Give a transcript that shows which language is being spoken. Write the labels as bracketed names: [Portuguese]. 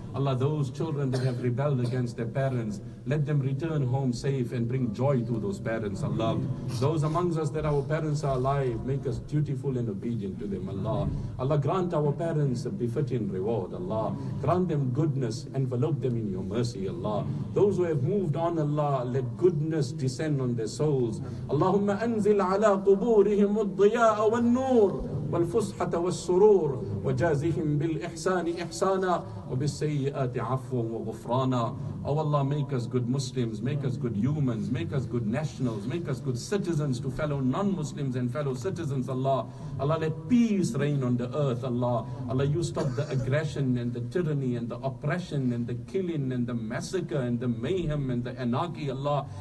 [English] Allah, those children that have rebelled against their parents, let them return home safe and bring joy to those parents, Allah. Those amongst us that our parents are alive, make us dutiful and obedient to them, Allah. Allah, grant our parents a befitting reward, Allah. Grant them goodness, envelope them in your mercy, Allah. Those who have moved on, Allah, let goodness descend on their souls. [Arabic] Allahumma anzil ala quburihim al-diya'a wal-noor والفسحة والسرور وجازهم بالإحسان إحسانا وبالسيئات عفوا وغفرانا. [English] Oh Allah, make us good Muslims, make us good humans, make us good nationals, make us good citizens to fellow non-Muslims and fellow citizens, Allah. Allah, let peace reign on the earth, Allah. Allah, you stop the aggression and the tyranny and the oppression and the killing and the massacre and the mayhem and the anarchy, Allah.